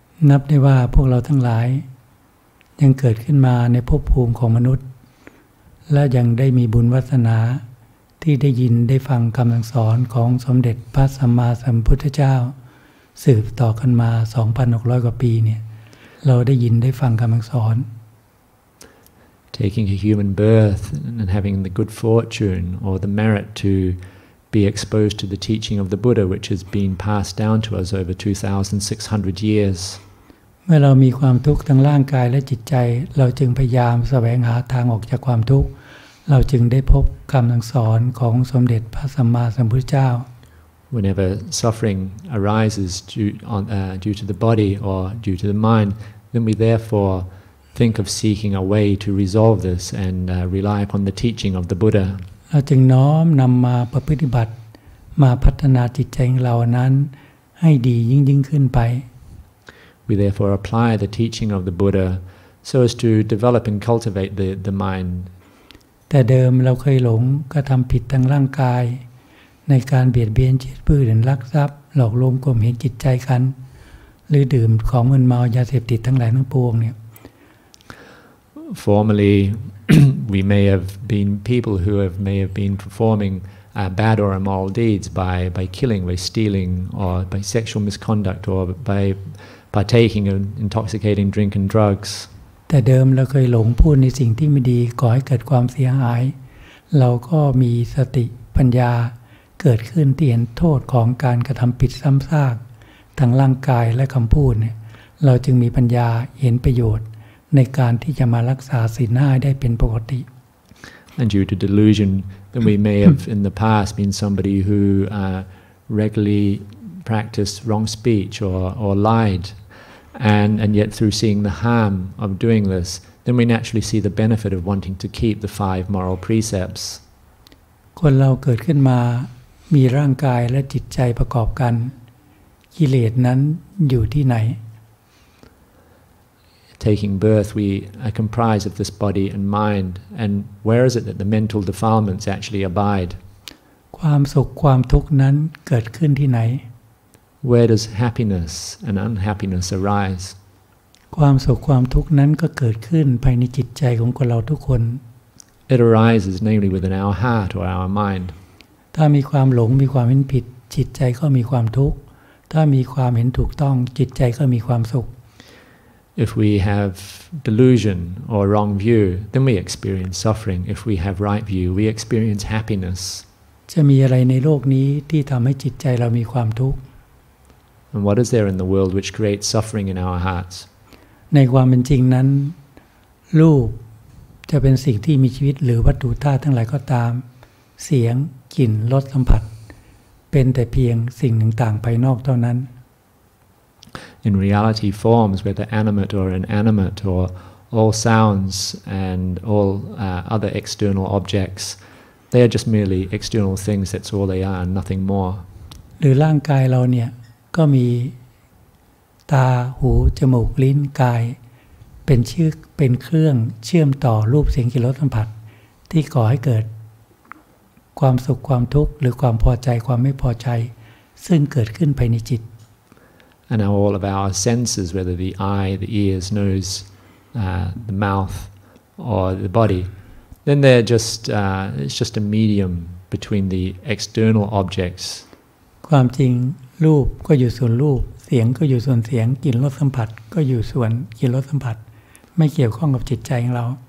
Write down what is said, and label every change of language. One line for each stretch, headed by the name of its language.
Thai: นับได้ว่าพวกเราทั้งหลายยังเกิดขึ้นมาในภพภูมิของมนุษย์และยังได้มีบุญวาสนาที่ได้ยินได้ฟังคำสอนของสมเด็จพระสัมมาสัมพุทธเจ้าสืบต่อกันมา 2,600 กว่าปีเนี่ยเราได้ยินได้ฟังคำสอน
English: Taking a human birth and having the good fortune or the merit to be exposed to the teaching of the Buddha which has been passed down to us over 2,600 years
Thai: เมื่อเรามีความทุกข์ทั้งร่างกายและจิตใจเราจึงพยายามแสวงหาทางออกจากความทุกข์เราจึงได้พบคำสอนของสมเด็จพระสัมมาสัมพุทธเจ้า
English: Whenever suffering arises due to the body or due to the mind then we therefore think of seeking a way to resolve this and rely upon the teaching of the Buddha
Thai: เราจึงน้อมนำมาประพฤติปฏิบัติมาพัฒนาจิตใจของเรานั้นให้ดียิ่งขึ้นไป
English: We therefore apply the teaching of the Buddha so as to develop and cultivate the mind.
Thai: แต่เดิมเราเคยหลงกระทำผิดทางร่างกายในการเบียดเบียนเชื้อพืชลักทรัพย์หลอกลวงกลมเหงจิตใจกันหรือดื่มของมึนเมายาเสพติดทั้งหลายทั้งปวงเนี่ย
English: Formerly, we may have been people who may have been performingbad or immoral deeds by killing, by stealing, or by sexual misconduct, or by partaking of intoxicating drink and drugs.
Thai: แต่เดิมเราเคยหลงพูดในสิ่งที่ไม่ดีก่อให้เกิดความเสียหายเราก็มีสติปัญญาเกิดขึ้นที่เห็นโทษของการกระทำผิดซ้ำซากทั้งร่างกายและคำพูดเนี่ยเราจึงมีปัญญาเห็นประโยชน์ในการที่จะมารักษาศีลห้าได้เป็นปกติ
English: And due to delusion then we may have in the past been somebody who regularly practiced wrong speech or liedAnd yet through seeing the harm of doing this, then we naturally see the benefit of wanting to keep the five moral precepts.
Thai: คนเราเกิดขึ้นมามีร่างกายและจิตใจประกอบกันกิเลสนั้นอยู่ที่ไหน
English: Taking birth, we are comprised of this body and mind. And where is it that the mental defilements actually abide?
Thai: ความสุขความทุกข์นั้นเกิดขึ้นที่ไหน
English: Where does happiness and unhappiness arise?
Thai: ความสุขความทุกข์นั้นก็เกิดขึ้นภายในจิตใจของคนเราทุกคน
English: It arises namely within our heart or our mind.
Thai: ถ้ามีความหลงมีความเห็นผิดจิตใจก็มีความทุกข์ถ้ามีความเห็นถูกต้องจิตใจก็มีความสุข
English: If we have delusion or wrong view, then we experience suffering. If we have right view, we experience happiness.
Thai: จะมีอะไรในโลกนี้ที่ทำให้จิตใจเรามีความทุกข์
English: And what is there in the world which creates suffering in our hearts?
Thai: ในความเป็นจริงนั้นรูปจะเป็นสิ่งที่มีชีวิตหรือวัตถุธาตุทั้งหลายก็ตามเสียงกลิ่นรสสัมผัสเป็นแต่เพียงสิ่งหนึ่งต่างภายนอกเท่านั้น
English: In reality forms whether animate or inanimate or all sounds and all other external objects they are just merely external things that's all they are and nothing more
Thai: หรือร่างกายเราเนี่ยก็มีตาหูจมูกลิ้นกายเป็นเครื่องเชื่อมต่อรูปเสียงกลิ่นรสสัมผัส ที่ก่อให้เกิดความสุขความทุกข์หรือความพอใจความไม่พอใจซึ่งเกิดขึ้นภายในจิต
English: And now all of our senses, whether the eye, the ears, nose, the mouth, or the body, then they're just, it's just a medium between the external objects.
Thai: ความจริงรูปก็อยู่ส่วนรูปเสียงก็อยู่ส่วนเสียงกลิ่นรสสัมผัสก็อยู่ส่วนกลิ่นรสสัมผัสไม่เกี่ยวข้องกับจิตใจของเรา